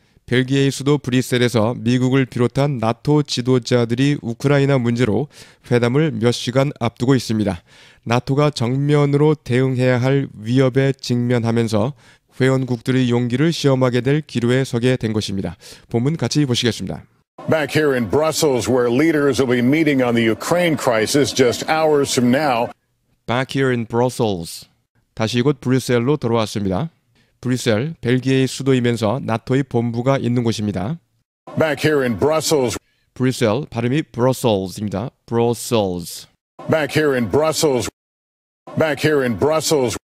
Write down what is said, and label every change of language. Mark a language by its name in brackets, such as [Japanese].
[Korean] 벨기에의 수도 브뤼셀에서 미국을 비롯한 나토 지도자들이 우크라이나 문제로 회담을 몇 시간 앞두고 있습니다. 나토가 정면으로 대응해야 할 위협에 직면하면서 회원국들의 용기를 시험하게 될 기로에 서게 된 것입니다. 본문 같이 보시겠습니다. [English] Back here in Brussels, where leaders will be meeting on the Ukraine crisis just hours from now. Back here in Brussels. [Korean] 다시 이곳 브뤼셀로 돌아왔습니다. 브뤼셀, 벨기에의 수도이면서 나토의 본부가 있는 곳입니다. [English] Back here in Brussels. [Korean] 브뤼셀, 발음이 브러셀즈입니다. 브러셀즈. [English] Back here in Brussels. Back here in Brussels.